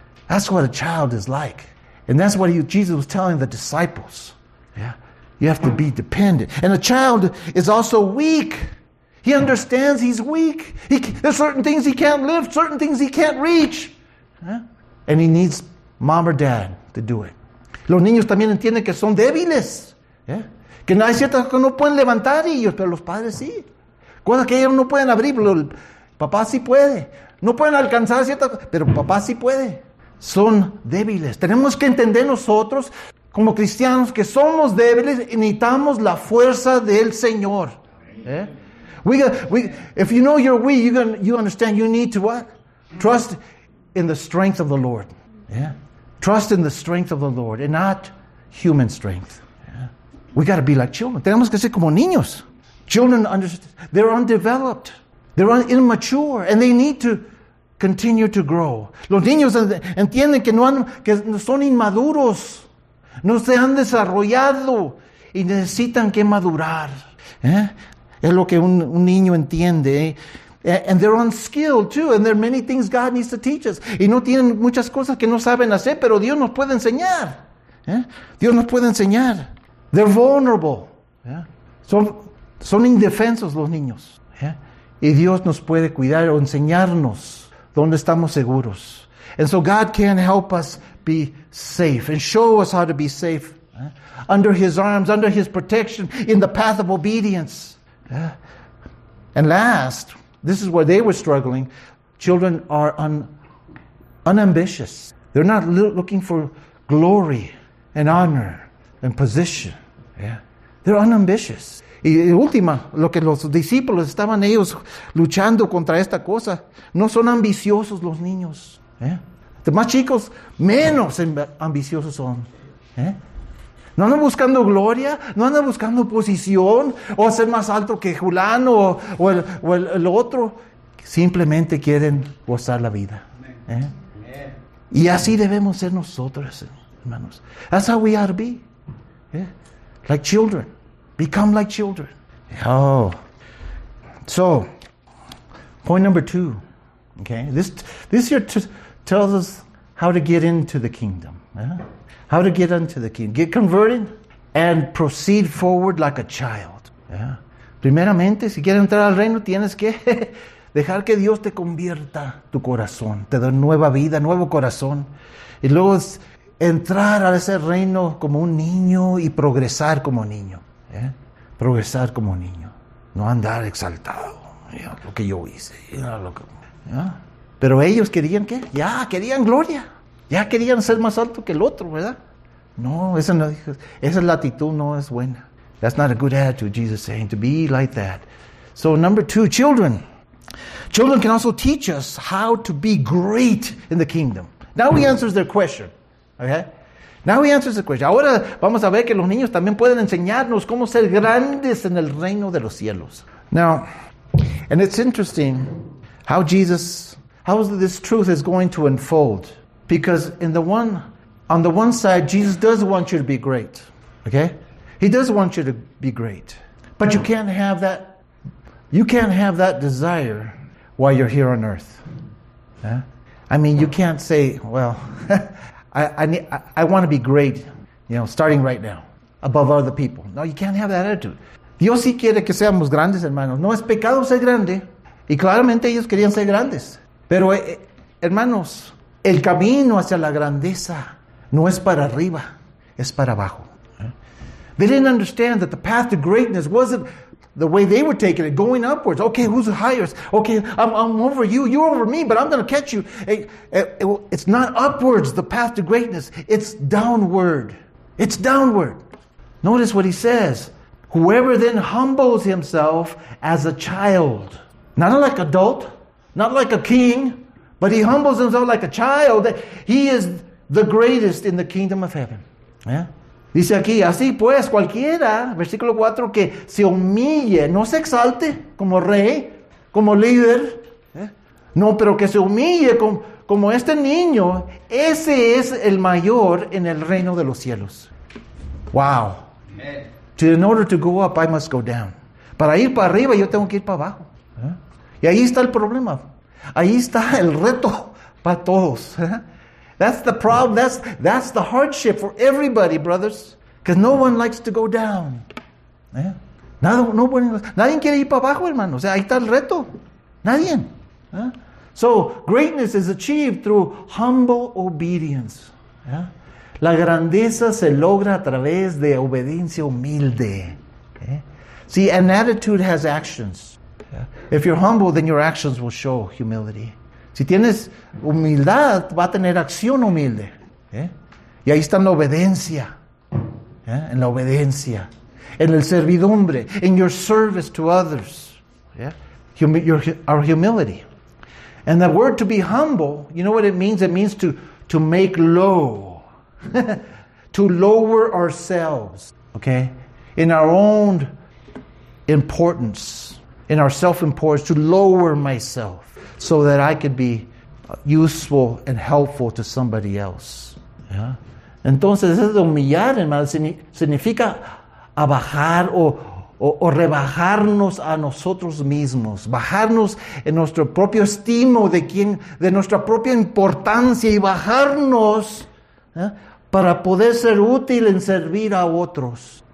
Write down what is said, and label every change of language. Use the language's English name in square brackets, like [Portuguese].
[English] That's what a child is like. And that's what Jesus was telling the disciples. Yeah. You have to be dependent. And a child is also weak. He understands he's weak. There's certain things he can't lift, certain things he can't reach. Yeah. And he needs mom or dad to do it. [Spanish] Los niños también entienden que son débiles. Yeah. Que no hay ciertas que no pueden levantar ellos, pero los padres sí. Cosas que ellos no pueden abrir, pero el papá sí puede. No pueden alcanzar ciertas cosas, pero papá sí puede. Son débiles. Tenemos que entender nosotros, como cristianos, que somos débiles y necesitamos la fuerza del Señor. ¿Eh? [English] If you know you're weak, you understand you need to what? Trust in the strength of the Lord. ¿Eh? Trust in the strength of the Lord and not human strength. We got to be like children. [Spanish] Tenemos que ser como niños. [English] Children, they're undeveloped. They're immature. And they need to continue to grow. [Spanish] Los niños entienden que son inmaduros. No se han desarrollado. Y necesitan que madurar. ¿Eh? Es lo que un niño entiende. [English] And they're unskilled too. And there are many things God needs to teach us. [Spanish] Y no tienen muchas cosas que no saben hacer. Pero Dios nos puede enseñar. ¿Eh? Dios nos puede enseñar. [English] They're vulnerable. [Spanish] Yeah. Son indefensos los niños. Yeah. Y Dios nos puede cuidar o enseñarnos dónde estamos seguros. [English] And so God can help us be safe and show us how to be safe. Yeah. Under His arms, under His protection, in the path of obedience. Yeah. And last, this is where they were struggling. Children are unambitious. They're not looking for glory and honor and position. Yeah. They're unambitious. [Spanish] Y última, lo que los discípulos estaban ellos luchando contra esta cosa, no son ambiciosos los niños. Yeah. The más chicos, menos ambiciosos son. Yeah. No andan buscando gloria, no andan buscando posición, o ser más alto que Julano o el otro. Simplemente quieren gozar la vida. [English] Yeah. [Spanish] Y así debemos ser nosotros, hermanos. [English] That's how we ought to be. Yeah. Like children. Become like children. Oh. So, point number two. Okay. This here tells us how to get into the kingdom. Yeah? How to get into the kingdom. Get converted and proceed forward like a child. Yeah. [Spanish] Primeramente, si quieres entrar al reino, tienes que dejar que Dios te convierta tu corazón. Te da nueva vida, nuevo corazón. Y luego entrar a ese reino como un niño y progresar como niño. ¿Eh? Progresar como niño. No andar exaltado. Mira lo que yo hice. Mira lo que, ¿ya? Pero ellos querían ¿qué? Ya querían gloria. Ya querían ser más alto que el otro, ¿verdad? No, esa es la actitud, no es buena. [English] That's not a good attitude, Jesus saying, to be like that. So number two, children. Children can also teach us how to be great in the kingdom. Now he answers their question. Okay? Now he answers the question. [Spanish] Ahora vamos a ver que los niños también pueden enseñarnos cómo ser grandes en el reino de los cielos. [English] Now, and it's interesting how Jesus, how this truth is going to unfold. Because on the one side, Jesus does want you to be great. Okay? He does want you to be great. But you can't have that desire while you're here on earth. Yeah? I mean, you can't say, well, I want to be great, you know, starting right now, above other people. No, you can't have that attitude. [Spanish] Dios sí quiere que seamos grandes, hermanos. No es pecado ser grande. Y claramente ellos querían ser grandes. Pero, hermanos, el camino hacia la grandeza no es para arriba, es para abajo. [English] They didn't understand that the path to greatness wasn't the way they were taking it, going upwards. Okay, who's the highest? Okay, I'm over you. You're over me, but I'm going to catch you. It's not upwards, the path to greatness. It's downward. It's downward. Notice what he says. Whoever then humbles himself as a child, not like an adult, not like a king, but he humbles himself like a child, he is the greatest in the kingdom of heaven. Yeah? [Spanish] Dice aquí, así pues, cualquiera, versículo 4, que se humille, no se exalte como rey, como líder, no, pero que se humille como este niño, ese es el mayor en el reino de los cielos. Wow. Amen. [English] In order to go up, I must go down. [Spanish] Para ir para arriba, yo tengo que ir para abajo. Y ahí está el problema. Ahí está el reto para todos. [English] That's the problem. That's the hardship for everybody, brothers. Because no one likes to go down. ¿Eh? [Spanish] Nadie quiere ir para abajo, hermano. O sea, ahí está el reto. Nadie. ¿Eh? [English] So, greatness is achieved through humble obedience. ¿Eh? [Spanish] La grandeza se logra a través de obediencia humilde. ¿Eh? [English] See, an attitude has actions. ¿Eh? If you're humble, then your actions will show humility. [Spanish] Si tienes humildad, va a tener acción humilde. ¿Eh? Y ahí está en la obediencia. ¿Eh? En la obediencia. En el servidumbre. [English] In your service to others. [Spanish] ¿Eh? [English] Our humility. And the word to be humble, you know what it means? It means to make low. To lower ourselves. Okay? In our own importance. In our self-importance. To lower myself. So that I could be useful and helpful to somebody else. Yeah. [Spanish] Entonces, eso de humillar, hermano, significa abajar o rebajarnos a nosotros mismos. Bajarnos en nuestro propio estimo de nuestra propia importancia y bajarnos, yeah, para poder ser útil en servir a otros.